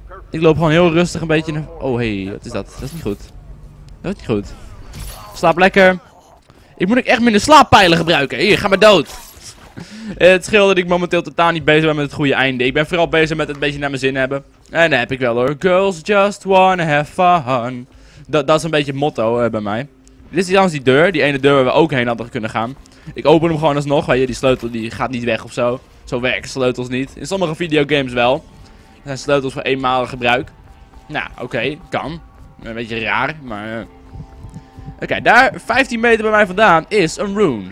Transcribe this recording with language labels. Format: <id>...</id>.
<nl>Ik loop gewoon heel rustig een beetje naar... Oh, hey, wat is dat? Dat is niet goed. Dat is niet goed. Slaap lekker. Ik moet echt minder slaappijlen gebruiken. Hier, ga maar dood. Het scheelt dat ik momenteel totaal niet bezig ben met het goede einde. Ik ben vooral bezig met het een beetje naar mijn zin hebben. En dat heb ik wel hoor.</nl> <en>Girls just wanna have fun.</en> <nl>Dat is een beetje motto bij mij. Dit is trouwens die deur. Die ene deur waar we ook heen hadden kunnen gaan. Ik open hem gewoon alsnog. Weet je, die sleutel die gaat niet weg of zo. Zo werken sleutels niet. In sommige videogames wel. Dat zijn sleutels voor eenmalig gebruik. Nou, oké. Okay, kan. Een beetje raar, maar... Oké, okay, daar 15 meter bij mij vandaan is een rune.</nl>